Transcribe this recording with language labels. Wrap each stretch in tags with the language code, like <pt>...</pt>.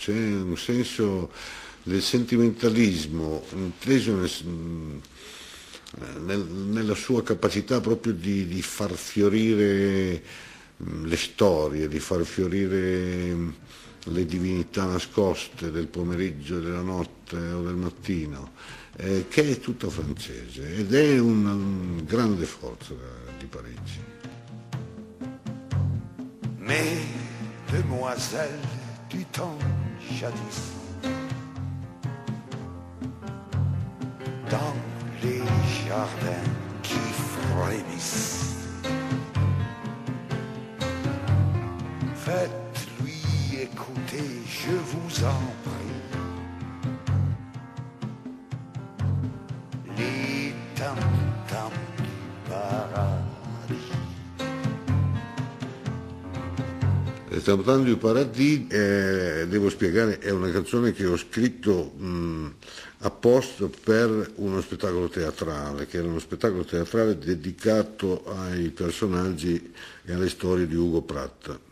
<it>C'è un senso del sentimentalismo inteso nella sua capacità proprio di far fiorire le storie, di far fiorire le divinità nascoste del pomeriggio, della notte o del mattino, che è tutto francese ed è una grande forza di Parigi.</it> <fr>Mais demoiselle du temps jadis, dans les jardins qui frémissent, faites-lui écouter, je vous en prie, les tam-tams du paradis.</fr> <it>Les tam-tams du paradis, devo spiegare, è una canzone che ho scritto apposta per uno spettacolo teatrale, che era uno spettacolo teatrale dedicato ai personaggi e alle storie di Ugo Pratt.</it>